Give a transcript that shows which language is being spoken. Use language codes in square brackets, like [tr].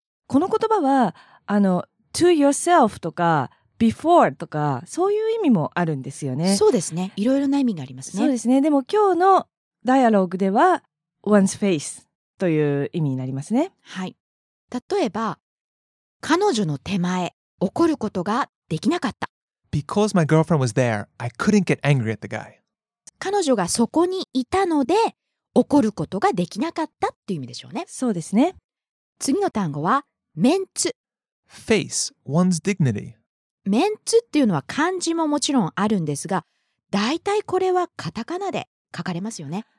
[ja] この言葉はあの To yourself とか Before とかそういう意味もあるんですよね。そうですね。いろいろな意味がありますね。そうですね。でも今日のダイアログでは One's face という意味になりますね。はい。例えば、彼女の手前、怒ることができなかった。 [en] Because my girlfriend was there, I couldn't get angry at the guy. [ja] 彼女がそこにいたので、怒ることができなかったっていう意味でしょうね。そうですね。次の単語は、メンツ。 [en] Face, one's dignity. [ja] メンツっていうのは漢字ももちろんあるんですが、大体これはカタカナで書かれますよね。